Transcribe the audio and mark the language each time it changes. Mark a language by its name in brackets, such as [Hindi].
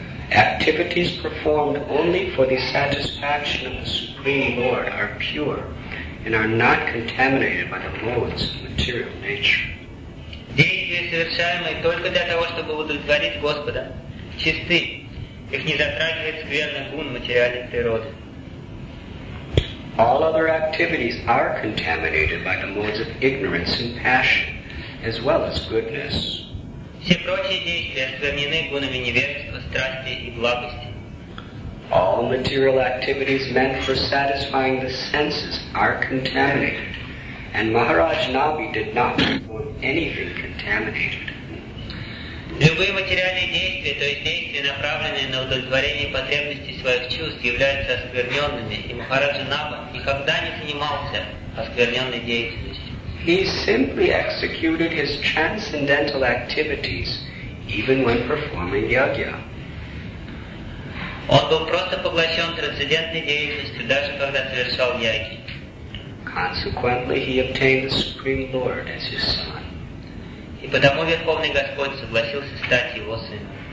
[English] Activities performed only for the satisfaction of the Supreme Lord are pure and are not contaminated by the modes of material nature. [Russian] Действия, совершаемые только для того, чтобы удовлетворить Господа, чисты, их не затрагивает скверный гун материальной природы. [English] All other activities are contaminated by the modes of ignorance and passion, as well as goodness. [Russian] Все прочие действия осквернены гунами невежества, страсти и благости. [English] All material activities meant for satisfying the senses are contaminated, and Maharaj Nabi did not perform anything contaminated. [Russian] Любые материальные действия, то есть действия, направленные на удовлетворение потребностей своих чувств, являются оскверненными, и Махараджа Наба никогда не занимался оскверненной деятельностью. [English] He simply executed his transcendental activities even when performing yagya. [Russian] Он был просто поглощен трансцендентной деятельностью, даже когда совершал яги. [English] Consequently, he obtained the Supreme Lord as his son. [Russian] И потому Верховный Господь согласился стать его сыном.